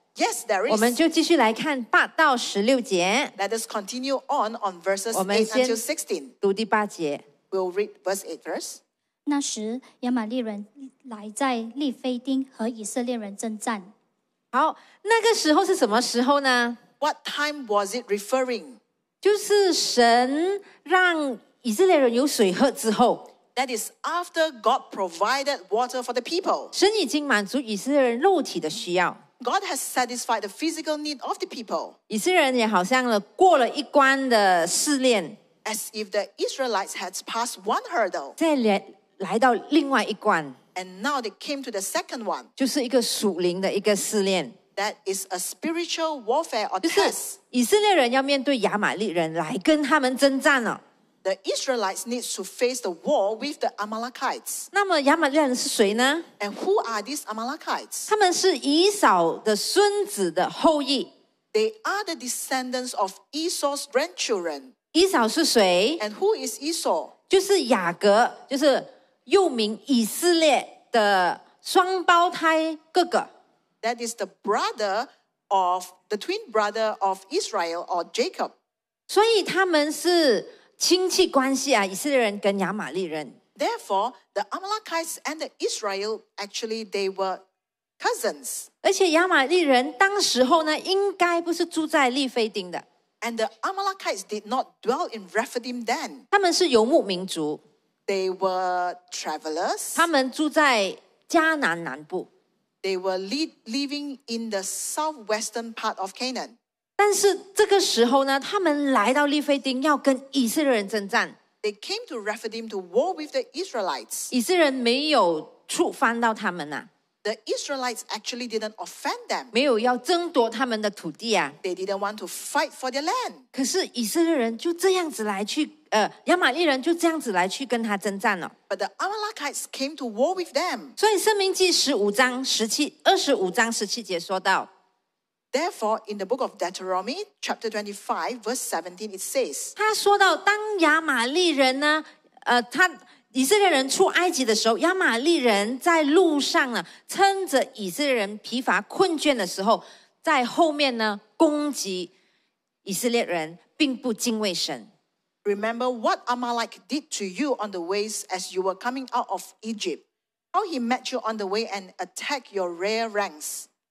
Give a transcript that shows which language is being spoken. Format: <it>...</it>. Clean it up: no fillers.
<en>Yes, there is.</en> <zh>我们就继续来看八到十六节。</zh> <en>Let us continue on verses 8 until 16.</en> <zh>我们先读第八节。</zh> <en>We'll read verse 8 first.</en> <zh>那时，亚玛利人来在利非丁和以色列人征战。好，那个时候是什么时候呢？</zh> <en>What time was it referring?</en> <zh>就是神让以色列人有水喝之后。</zh> <en>That is after God provided water for the people.</en> <zh>神已经满足以色列人肉体的需要。</zh> <en>God has satisfied the physical need of the people.</en> <zh>以色列人也好像过了一关的试炼。</zh> <en>As if the Israelites had passed one hurdle.</en> <zh>再来到另外一关。</zh> <en>And now they came to the second one.</en> <zh>就是一个属灵的一个试炼。</zh> <en>That is a spiritual warfare or test.</en> <zh>就是以色列人要面对亚玛力人来跟他们征战了。</zh> <en>The Israelites need to face the war with the Amalekites.</en> <zh>那么亚玛利人是谁呢？</zh> <en>And who are these Amalekites?</en> <zh>他们是以扫的孙子的后裔。</zh> <en>They are the descendants of Esau's grandchildren.</en> <zh>以扫是谁？</zh> <en>And who is Esau?</en> <zh>就是雅各，就是又名以色列的双胞胎哥哥。</zh> <en>That is the brother of the twin brother of Israel or Jacob.</en> <zh>所以他们是亲戚关系啊，以色列人跟亚玛利人。</zh> <en>Therefore, the Amalekites and the Israel actually they were cousins.</en> <zh>而且亚玛利人当时候呢，应该不是住在利非丁的。</zh> <en>And the Amalekites did not dwell in Rephidim then.</en> <zh>他们是游牧民族。</zh> <en>They were travelers.</en> <zh>他们住在迦南南部。</zh> <en>They were living in the southwestern part of Canaan.</en> <zh>但是这个时候呢，他们来到利非丁要跟以色列人征战。</zh> <en>They came to Rephidim to war with the Israelites.</en> <zh>以色列人没有触犯到他们呐。</zh> <en>The Israelites actually didn't offend them.</en> <zh>没有要争夺他们的土地啊。</zh> <en>They didn't want to fight for their land.</en> <zh>可是以色列人就这样子来去 亚玛力人就这样子来去跟他征战了。</zh> <en>But the Amalekites came to war with them.</en> <zh>所以申命记25章17节说到，</zh> <en>Therefore, in the book of Deuteronomy, chapter 25, verse 17, it says,</en> <zh>他说到当亚玛力人呢， 以色列人出埃及的时候，亚玛力人在路上呢，趁着以色列人疲乏困倦的时候，在后面呢攻击以色列人，并不敬畏神。</zh> <en>Remember what Amalek did to you on the ways as you were coming out of Egypt. How he met you on the way and attacked your rear ranks.</en>